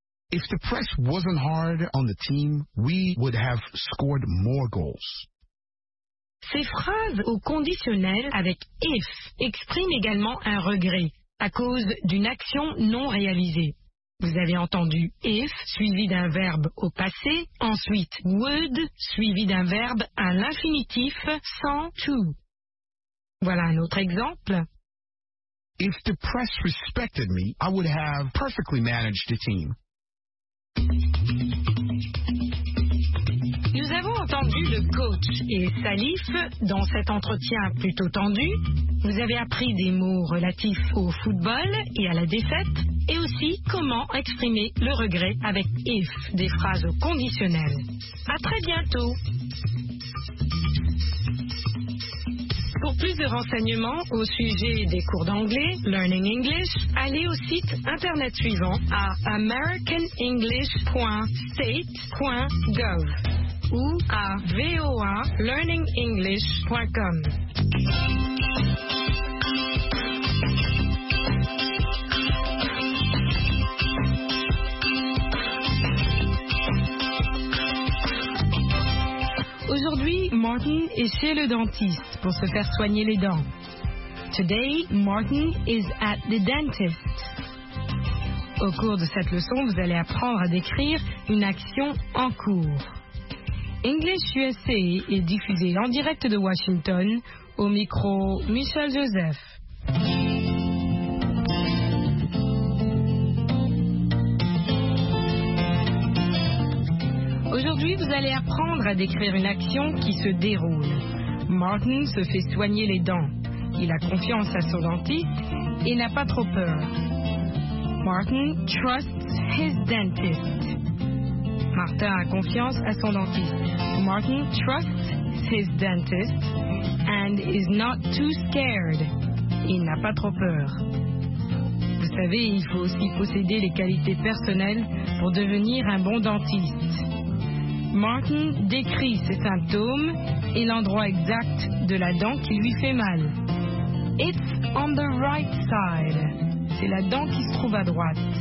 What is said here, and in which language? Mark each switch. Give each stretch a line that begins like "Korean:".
English: If the press wasn't hard on the team, we would have scored more goals.
French: Ces phrases au conditionnel avec « if » expriment également un regret à cause d'une action non réalisée. Vous avez entendu « if » suivi d'un verbe au passé, ensuite « would » suivi d'un verbe à l'infinitif sans « to ». Voilà un autre exemple.
English: If the press respected me, I would have perfectly managed the team.
French: Nous avons entendu le coach et Salif dans cet entretien plutôt tendu. Vous avez appris des mots relatifs au football et à la défaite, et aussi comment exprimer le regret avec if, des phrases au conditionnel. À très bientôt. Pour plus de renseignements au sujet des cours d'anglais, Learning English, allez au site internet suivant à americanenglish.state.gov ou à voalearningenglish.com. Aujourd'hui, Martin est chez le dentiste pour se faire soigner les dents.
English: Today, Martin is at the dentist.
French: Au cours de cette leçon, vous allez apprendre à décrire une action en cours. English USA est diffusé en direct de Washington au micro Michel Joseph. Aujourd'hui, vous allez apprendre à décrire une action qui se déroule. Martin se fait soigner les dents. Il a confiance à son dentiste et n'a pas trop peur.
English: Martin trusts his dentist.
French: Martin a confiance à son dentiste.
English: Martin trusts his dentist and is not too scared.
French: Il n'a pas trop peur. Vous savez, il faut aussi posséder les qualités personnelles pour devenir un bon dentiste. Martin décrit ses symptômes et l'endroit exact de la dent qui lui fait mal.
English: It's on the right side.
French: C'est la dent qui se trouve à droite.